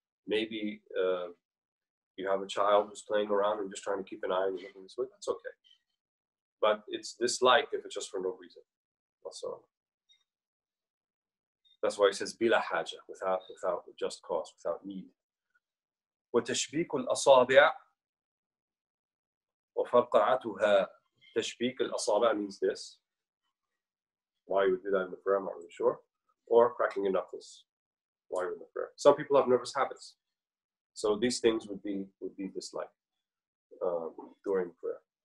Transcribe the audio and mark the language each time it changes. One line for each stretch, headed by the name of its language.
English: Maybe you have a child who's playing around and just trying to keep an eye and looking this way, that's okay. But it's dislike if it's just for no reason. Also, that's why it says bila haja, without just cause, without need.
Arabic: وتشبيك الأصابع وفرقعتها. تشبيك الأصابع
English: means this. Why you would do that in the prayer, I'm not really sure. Or cracking your knuckles while you're in the prayer. Some people have nervous habits, so these things would be dislike during prayer.